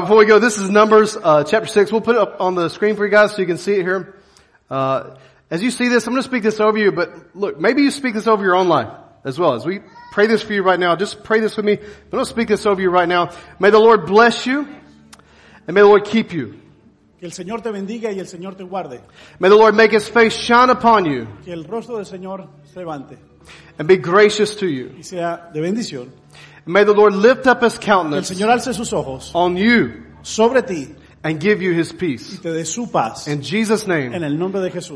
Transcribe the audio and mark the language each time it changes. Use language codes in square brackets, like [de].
[en] Before we go, this is Numbers chapter 6. We'll put it up on the screen for you guys so you can see it here. As you see this, I'm going to speak this over you. But look, maybe you speak this over your own life as well as we. Pray this for you right now. Just pray this with me. I'm going to speak this over you right now. May the Lord bless you and may the Lord keep you. [es] Que el Señor te bendiga y el Señor te guarde. [en] May the Lord make his face shine upon you. [es] Que el rostro del Señor se levante. [en] And be gracious to you. [es] Y sea de bendición. [en] And may the Lord lift up his countenance. [es] Que el Señor alce sus ojos. [en] On you. [es] Sobre ti. [en] And give you his peace. [es] Y te dé su paz. [en] In Jesus' name. [es] En el nombre de Jesús.